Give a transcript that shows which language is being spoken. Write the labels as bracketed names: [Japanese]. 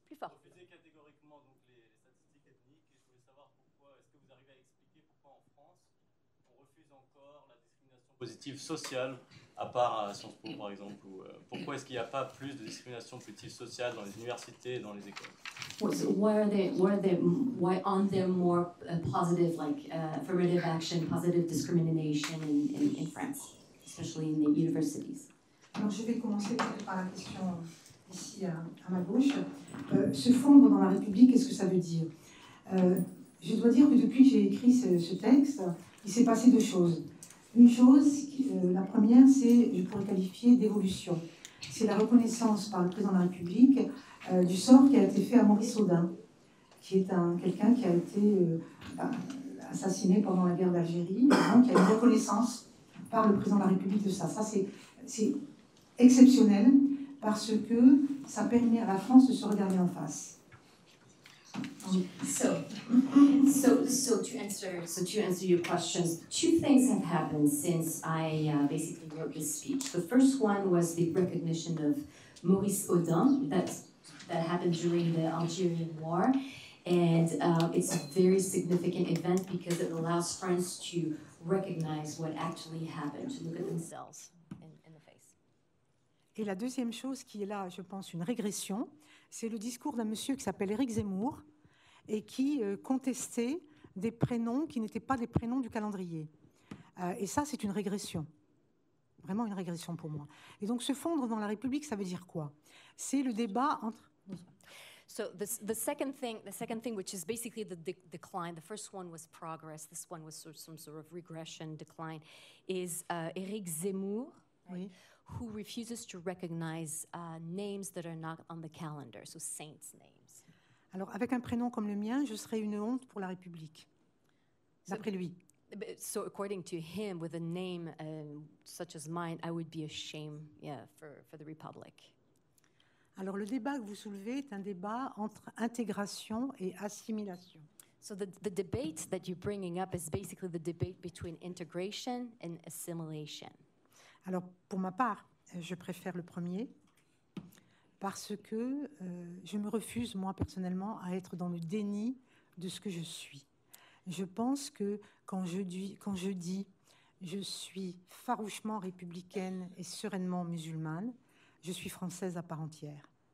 [French] Vous refusez catégoriquement donc les statistiques ethniques et je voulais savoir pourquoi, est-ce que vous arrivez à expliquer pourquoi en France on refuse encore la discrimination positive sociale? À part Sciences Po, par exemple, pourquoi est-ce qu'il n'y a pas plus de discrimination positive sociale dans les universités et dans les écoles? [English] Why aren't there more positive, affirmative action, positive discrimination in France, especially in the universities? [French] Alors, je vais commencer par la question ici à ma gauche. Se fondre dans la République, qu'est-ce que ça veut dire? Je dois dire que depuis que j'ai écrit ce texte, il s'est passé deux choses. Une chose, la première, c'est, je pourrais qualifier, d'évolution. C'est la reconnaissance par le président de la République du sort qui a été fait à Maurice Audin, qui est quelqu'un qui a été assassiné pendant la guerre d'Algérie, donc il y a une reconnaissance par le président de la République de ça. Ça, c'est exceptionnel parce que ça permet à la France de se regarder en face. [English] So to answer your questions, two things have happened since I basically wrote this speech. The first one was the recognition of Maurice Audin that happened during the Algerian War, and it's a very significant event because it allows France to recognize what actually happened, to look at themselves in the face. [French] Et la deuxième chose qui est là, je pense, une régression, c'est le discours d'un monsieur qui s'appelle Éric Zemmour. Et qui contestait des prénoms qui n'étaient pas des prénoms du calendrier. Et ça, c'est une régression, vraiment une régression pour moi. Et donc, se fondre dans la République, ça veut dire quoi? C'est le débat entre. [English] So the second thing, which is basically the decline. The first one was progress. This one was sort of some sort of regression, decline. Is Éric Zemmour, right? [French] Oui. [English] Who refuses to recognize names that are not on the calendar, so saints' names. [French] Alors, avec un prénom comme le mien, je serais une honte pour la République, d'après lui. [English] So according to him, with a name such as mine, I would be a shame, yeah, for the Republic. [French] Alors le débat que vous soulevez est un débat entre intégration et assimilation. [English] So the debate that you're bringing up is basically the debate between integration and assimilation. [French] Alors pour ma part, je préfère le premier parce que je me refuse moi personnellement à être dans le déni de ce que je suis. Je pense que quand je dis je suis farouchement républicaine et sereinement musulmane, je suis française à part entière.